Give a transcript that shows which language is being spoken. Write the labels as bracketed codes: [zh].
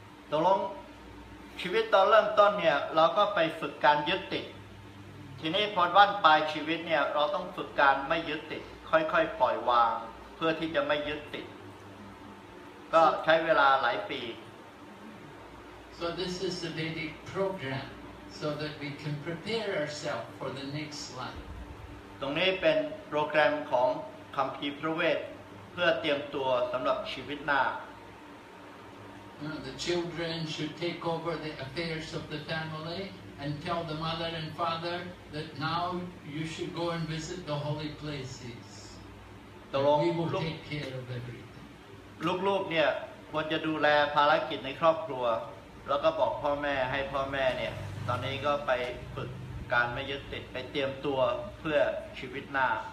[th] ตกลงชีวิตตอนเริ่มต้นเนี่ยเราก็ไปฝึกการยึดติดทีนี้พอวันปลายชีวิตเนี่ยเราต้องฝึกการไม่ยึดติดค่อยๆปล่อยวางเพื่อที่จะไม่ยึดติดก็ใช้เวลาหลายปี [en] So this is the Vedic program so that we can prepare ourselves for the next life. [th] ตรงนี้เป็นโปรแกรมของคัมภีร์พระเวทเพื่อเตรียมตัวสำหรับชีวิตหน้า [en] The children should take over the affairs of the family and tell the mother and father that now you should go and visit the holy places. [th] ตกลง [en] We will take care of everything. [th] ลูกๆเนี่ยควรจะดูแลภารกิจในครอบครัวแล้วก็บอกพ่อแม่ให้พ่อแม่เนี่ยตอนนี้ก็ไปฝึกการไม่ยึดติดไปเตรียมตัวเพื่อชีวิตหน้า